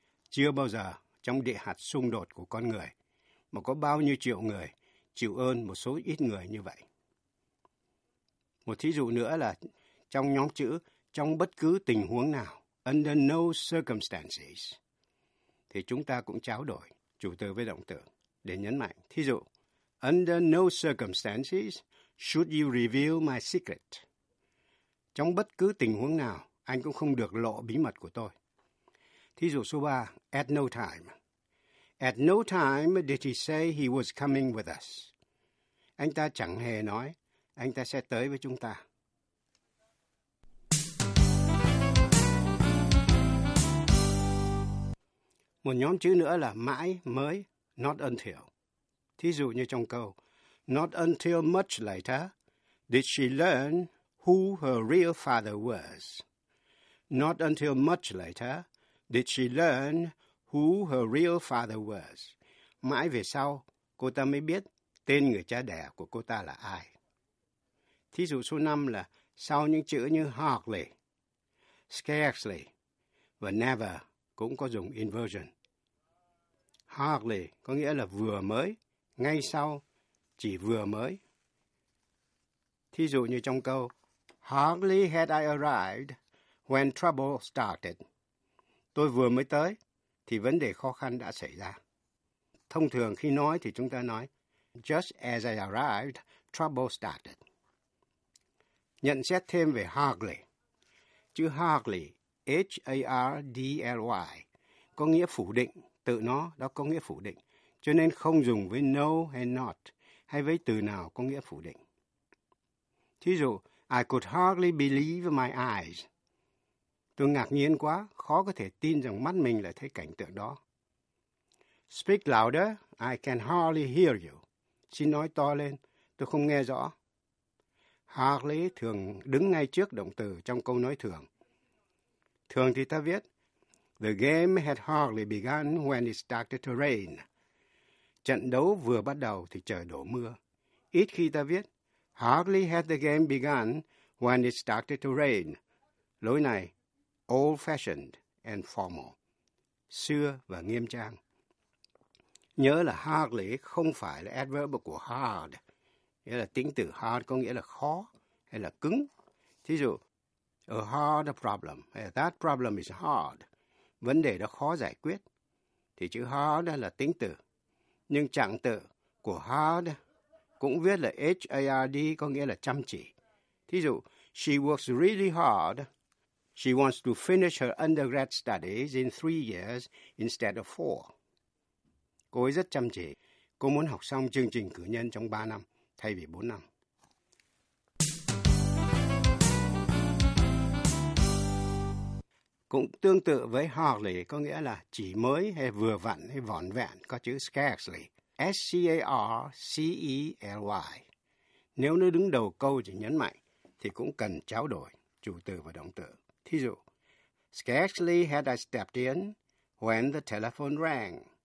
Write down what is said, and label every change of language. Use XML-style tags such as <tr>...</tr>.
<vi>Chưa bao giờ trong địa hạt xung đột của con người mà có bao nhiêu triệu người chịu ơn một số ít người như vậy. Một thí dụ nữa là trong nhóm chữ trong bất cứ tình huống nào,</vi> <en>under no circumstances,</en> <vi>thì chúng ta cũng trao đổi chủ từ với động từ để nhấn mạnh. Thí dụ,</vi> <en>under no circumstances should you reveal my secret.</en> <vi>Trong bất cứ tình huống nào, anh cũng không được lộ bí mật của tôi. Thí dụ số 3,</vi> <en>at no time. At no time did he say he was coming with us.</en> <vi>Anh ta chẳng hề nói anh ta sẽ tới với chúng ta. Một nhóm chữ nữa là mãi, mới, not until. Thí dụ như trong câu,</vi> <en>not until much later did she learn who her real father was. Not until much later did she learn who her real father was.</en> <vi>Mãi về sau, cô ta mới biết tên người cha đẻ của cô ta là ai. Thí dụ số 5 là sau những chữ như hardly, scarcely và never cũng có dùng inversion. Hardly có nghĩa là vừa mới, ngay sau, chỉ vừa mới. Thí dụ như trong câu,</vi> <en>hardly had I arrived when trouble started.</en> <vi>Tôi vừa mới tới, thì vấn đề khó khăn đã xảy ra. Thông thường khi nói thì chúng ta nói,</vi> <en>just as I arrived, trouble started.</en> <vi>Nhận xét thêm về hardly. Chữ hardly, H-A-R-D-L-Y, có nghĩa phủ định, tự nó đó có nghĩa phủ định, cho nên không dùng với no hay not, hay với từ nào có nghĩa phủ định. Thí dụ,</vi> <en>I could hardly believe my eyes.</en> <vi>Tôi ngạc nhiên quá, khó có thể tin rằng mắt mình lại thấy cảnh tượng đó.</vi> <en>Speak louder, I can hardly hear you.</en> <vi>Xin nói to lên, tôi không nghe rõ. Hardly thường đứng ngay trước động từ trong câu nói thường. Thường thì ta viết,</vi> <en>the game had hardly begun when it started to rain.</en> <vi>Trận đấu vừa bắt đầu thì trời đổ mưa. Ít khi ta viết,</vi> <en>hardly had the game begun when it started to rain.</en> <vi>Lối này,</vi> <en>old-fashioned and formal.</en> <vi>Xưa và nghiêm trang. Nhớ là hardly không phải là adverb của hard. Nghĩa là tính từ hard có nghĩa là khó hay là cứng. Thí dụ,</vi> <en>a hard problem, hay that problem is hard.</en> <vi>Vấn đề đó khó giải quyết. Thì chữ hard là tính từ. Nhưng trạng từ của hard cũng viết là H-A-R-D có nghĩa là chăm chỉ.</vi> <en>Thí dụ, she works really hard. She wants to finish her undergrad studies in 3 years instead of 4.</en> <vi>Cô ấy rất chăm chỉ. Cô muốn học xong chương trình cử nhân trong 3 năm thay vì 4 năm. Cũng tương tự với hardly có nghĩa là chỉ mới hay vừa vặn hay vỏn vẹn có chữ scarcely. S-C-A-R-C-E-L-Y. Nếu nó đứng đầu câu chỉ nhấn mạnh thì cũng cần trao đổi chủ từ và động từ.</vi> <en>Thí dụ, scarcely had I stepped in when the telephone rang.</en>